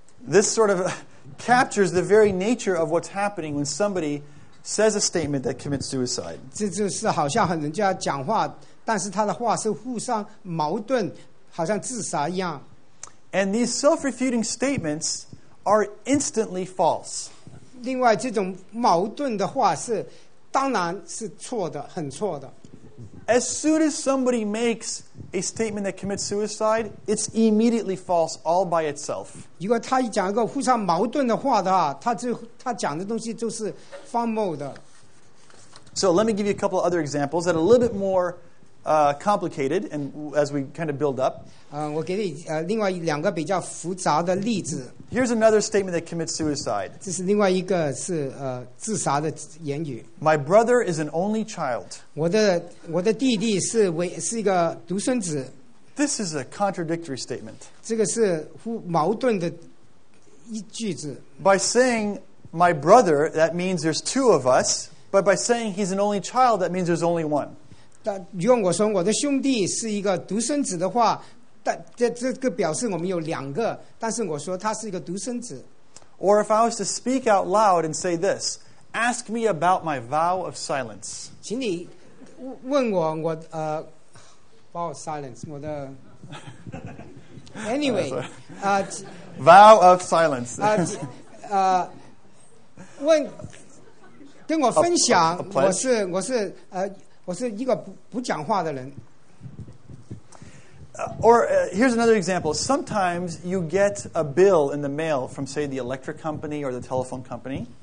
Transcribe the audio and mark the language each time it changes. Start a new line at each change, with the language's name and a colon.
English: This sort of captures the very nature of what's happening when somebody says a statement that commits suicide.
Chinese: 这就是好像和人家讲话，但是他的话是互相矛盾，好像自杀一样。
English: And these self-refuting statements are instantly false.
Chinese: 另外，这种矛盾的话是当然是错的，很错的。
English: As soon as somebody makes a statement that commits suicide, it's immediately false all by itself.
Chinese: 如果他讲一个互相矛盾的话的话，他讲的东西就是荒谬的。
English: So let me give you a couple of other examples that are a little bit more complicated, and as we kind of build up.
Chinese: 我给你另外两个比较复杂的例子。
English: Here's another statement that commits suicide.
Chinese: 这是另外一个是自杀的言语。
English: My brother is an only child.
Chinese: 我的弟弟是一个独生子。
English: This is a contradictory statement.
Chinese: 这个是矛盾的一句子。
English: By saying my brother, that means there's two of us. But by saying he's an only child, that means there's only one.
Chinese: 但如果我说我的兄弟是一个独生子的话。这个表示我们有两个，但是我说他是一个独生子。
English: Or if I was to speak out loud and say this, ask me about my vow of silence.
Chinese: 请你问我我
English: vow of silence
Chinese: 我的 anyway
English: vow of silence
Chinese: 问跟我分享 我是一个不讲话的人。
English: Or here's another example. Sometimes you get a bill in the mail from, say, the electric company or the telephone company.